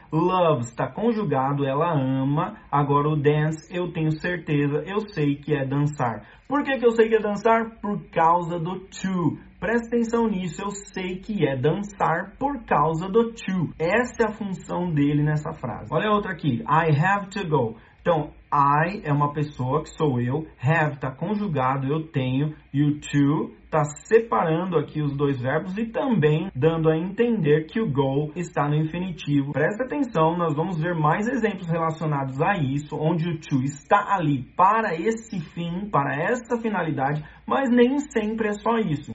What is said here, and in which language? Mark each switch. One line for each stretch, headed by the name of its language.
Portuguese: Loves está conjugado, ela ama. Agora o dance, eu tenho certeza, eu sei que é dançar. Por que que eu sei que é dançar? Por causa do to. Presta atenção nisso, eu sei que é dançar por causa do to. Essa é a função dele nessa frase. Olha outra aqui,
English: I have to go.
Portuguese: Então, I é uma pessoa que sou eu, have está conjugado, eu tenho, e o to está separando aqui os dois verbos e também dando a entender que o go está no infinitivo. Presta atenção, nós vamos ver mais exemplos relacionados a isso, onde o to está ali para esse fim, para essa finalidade, mas nem sempre é só isso.